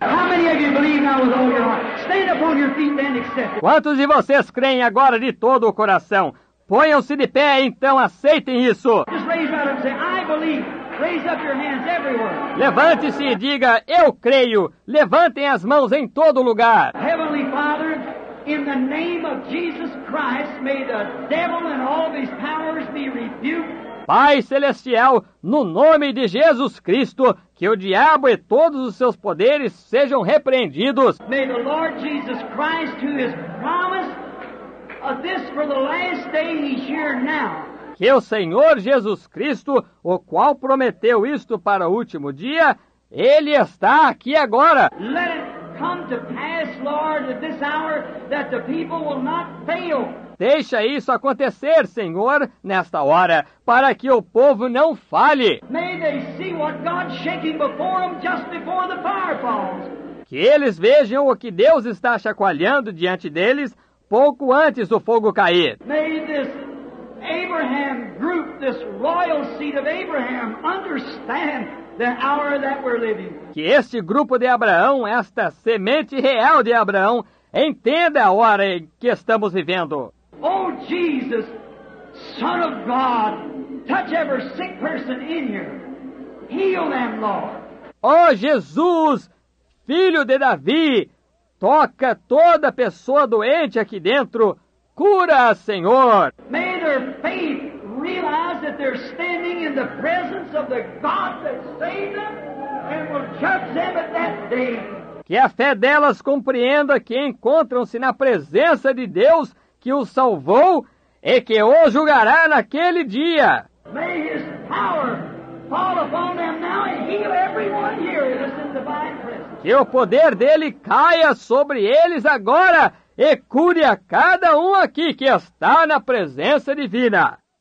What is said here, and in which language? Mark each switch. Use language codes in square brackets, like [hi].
[en] How many of you believe now with all your heart? Stand up on your feet then accept. [pt] Quantos de vocês creem agora de todo o coração? Ponham-se de pé, então aceitem isso. [en] Just raise up and say, I believe. Raise up your hands, everyone. [pt] Levante-se e diga, eu creio. Levantem as mãos em todo lugar. [en] Heavenly Father, in the name of Jesus Christ, may the devil and all of his powers be rebuked [pt] Pai Celestial, no nome de Jesus Cristo, que o diabo e todos os seus poderes sejam repreendidos. [en] May the Lord Jesus Christ, who has promised this for the last day, he's here now. [pt] Que o Senhor Jesus Cristo, o qual prometeu isto para o último dia, ele está aqui agora. [en] Let it come to pass, Lord, at this hour, that the people will not fail. [pt] Deixa isso acontecer, Senhor, nesta hora, para que o povo não falhe. [en] May they see what God's shaking before them just before the fire falls. [pt] Que eles vejam o que Deus está chacoalhando diante deles pouco antes do fogo cair. [en] May this Abraham group, this royal seed of Abraham, understand the hour that we're living. [pt] Que este grupo de Abraão, esta semente real de Abraão, entenda a hora em que estamos vivendo. [en] Oh, Jesus, Son of God, touch every sick person in here. Heal them, Lord. [pt] Oh, Jesus, Filho de Davi, toca toda pessoa doente aqui dentro. Cura, Senhor. [en] May their faith realize that they're standing in the presence of the God that saved them and will judge them at that day. [pt] Que a fé delas compreenda que encontram-se na presença de Deus que os salvou e que os julgará naquele dia. [en] May his power fall upon them now and heal everyone here in this divine presence. [pt] Que o poder dele caia sobre eles agora e cure a cada um aqui que está na presença divina.